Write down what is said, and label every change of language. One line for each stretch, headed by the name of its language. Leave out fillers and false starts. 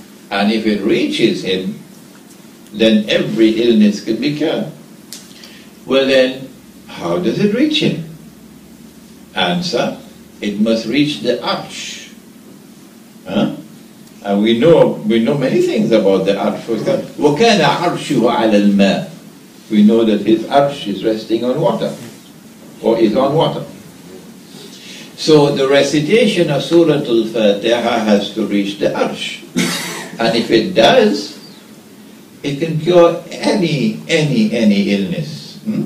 English: And if it reaches Him, then every illness can be cured. Well then, how does it reach Him? Answer. It must reach the arch. Huh? And we know many things about the arch. For example,
Arabic: وَكَانَ عَرْشُهُ عَلَى الْمَاءِ.
English: We know that his arch is resting on water. Or is on water. So the recitation of Surah Al-Fatiha has to reach the arch. And if it does, it can cure any illness.